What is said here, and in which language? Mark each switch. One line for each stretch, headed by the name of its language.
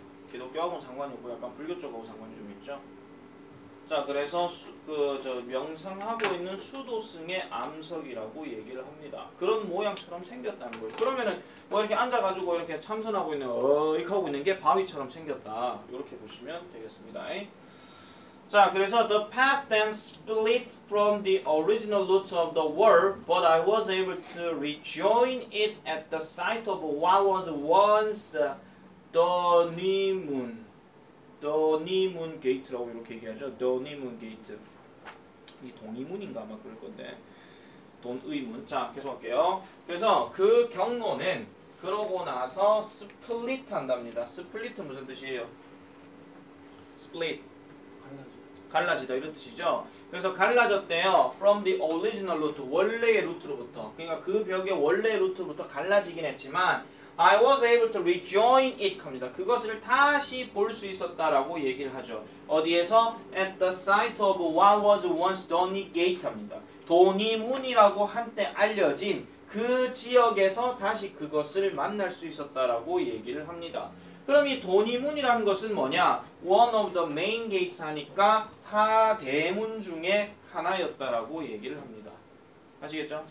Korean: 기독교하고는 상관이 없고 약간 불교 쪽하고 상관이 좀 있죠. 자, 그래서 그저 명상하고 있는 수도승의 암석이라고 얘기를 합니다. 그런 모양처럼 생겼다는 거예요. 그러면은 뭐 이렇게 앉아가지고 이렇게 참선하고 있는 이렇게 하고 있는 게 바위처럼 생겼다 이렇게 보시면 되겠습니다.
English: 자, 그래서 the path then split from the original root of the world, but I was able to rejoin it at the site of what was once Donimun Gate라고
Korean: 이렇게 얘기하죠.
English: Donimun Gate.
Korean: 이 동의문인가 아마 그럴 건데. 돈의문. 자, 계속할게요. 그래서 그 경로는 그러고 나서 split 한답니다. split 무슨 뜻이에요? split. 갈라지다 이런 뜻이죠. 그래서 갈라졌대요.
English: From the original root,
Korean: 원래의 루트로부터. 그러니까 그 벽의 원래의 루트로부터 갈라지긴 했지만
English: I was able to rejoin it
Korean: 합니다. 그것을 다시 볼 수 있었다라고 얘기를 하죠. 어디에서?
English: At the site of what was once Doni Gate
Korean: 합니다. 도니문이라고 한때 알려진 그 지역에서 다시 그것을 만날 수 있었다라고 얘기를 합니다. 그럼 이 도니문이라는 것은 뭐냐?
English: One of the main gates
Korean: 하니까 4대문 중에 하나였다라고 얘기를 합니다. 아시겠죠?